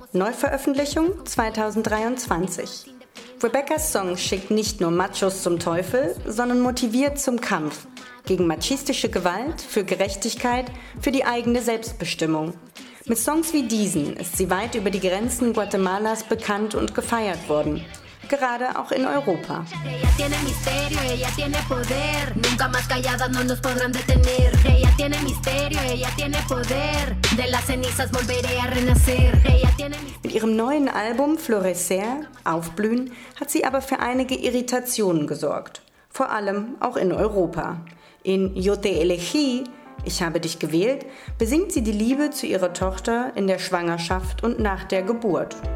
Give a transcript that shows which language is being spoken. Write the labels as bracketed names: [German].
[German] Neuveröffentlichung 2023. Rebeccas Song schickt nicht nur Machos zum Teufel, sondern motiviert zum Kampf. Gegen machistische Gewalt, für Gerechtigkeit, für die eigene Selbstbestimmung. Mit Songs wie diesen ist sie weit über die Grenzen Guatemalas bekannt und gefeiert worden. Gerade auch in Europa. [Spanish] Ella tiene misterio, ella tiene poder. Nunca más calladas no nos podrán detener. Ella tiene misterio, ella tiene poder. De las cenizas volveré a renacer. Ella tiene misterio. [German] Mit ihrem neuen Album Florecer, Aufblühen, hat sie aber für einige Irritationen gesorgt. Vor allem auch in Europa. In Yo te elegí, Ich habe dich gewählt, besingt sie die Liebe zu ihrer Tochter in der Schwangerschaft und nach der Geburt.